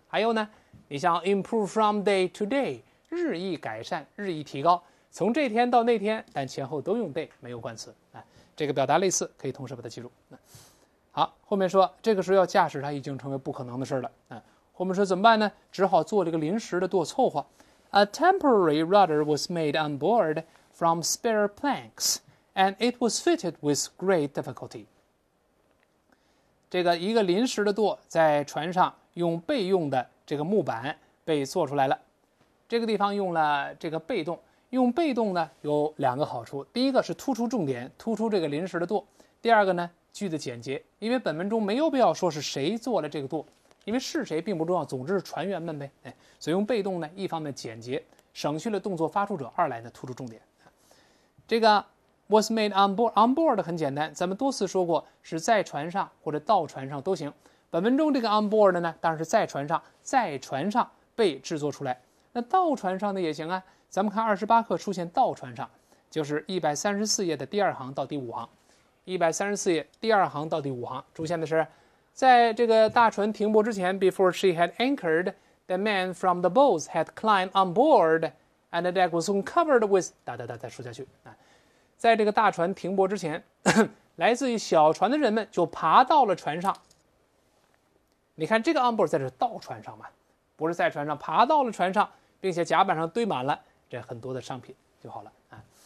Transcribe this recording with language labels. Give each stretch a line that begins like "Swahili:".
Chinese: 还有呢，你像
English: improve from day to day，
Chinese: 日益改善，日益提高，从这天到那天，但前后都用 day， 没有冠词。这个表达类似，可以同时把它记住。好，后面说这个时候要驾驶它已经成为不可能的事了。后面说怎么办呢？只好做这个临时的舵凑合。
English: A temporary rudder was made on board from spare planks and it was fitted with great difficulty。
Chinese: 这个一个临时的舵在船上用备用的这个木板被做出来了。这个地方用了这个被动，用被动呢有两个好处，第一个是突出重点，突出这个临时的舵，第二个呢句子简洁，因为本文中没有必要说是谁做了这个舵，因为是谁并不重要，总之是船员们呗。所以用被动呢，一方面简洁省去了动作发出者，二来呢突出重点。这个
English: Was made on board. On board
Chinese: 很简单，咱们多次说过是在船上或者到船上都行。本文中这个 on board 呢，当然是在船上，在船上被制作出来。那到船上的也行啊。咱们看28课出现到船上，就是134页的第二行到第五行。 134页第二行到第五行出现的是，在这个大船停泊之前 ，
English: before she had anchored， The man from the boats had climbed on board, and the deck was soon covered with.
Chinese: 哒哒哒，再说下去啊，在这个大船停泊之前，来自于小船的人们就爬到了船上。你看这个 on board 在这到船上嘛，不是在船上，爬到了船上，并且甲板上堆满了这很多的商品就好了啊。